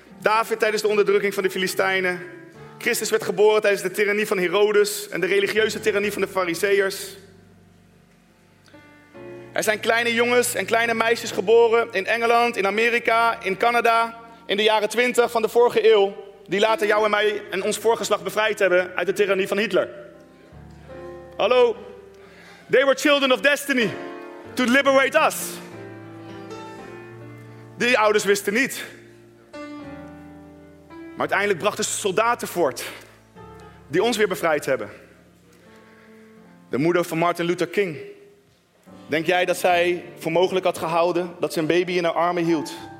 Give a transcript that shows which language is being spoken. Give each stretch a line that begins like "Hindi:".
Dutch: David tijdens de onderdrukking van de Filistijnen. Christus werd geboren tijdens de tirannie van Herodes en de religieuze tirannie van de Farizeeërs. Er zijn kleine jongens en kleine meisjes geboren in Engeland, in Amerika, in Canada, in de jaren 20 van de vorige eeuw, die later jou en mij en ons voorgeslacht bevrijd hebben uit de tirannie van Hitler. Hallo?
English: They were children of destiny to liberate us.
Dutch: Die ouders wisten niet. Maar uiteindelijk brachten ze soldaten voort die ons weer bevrijd hebben. De moeder van Martin Luther King. Denk jij dat zij voor mogelijk had gehouden dat ze een baby in haar armen hield?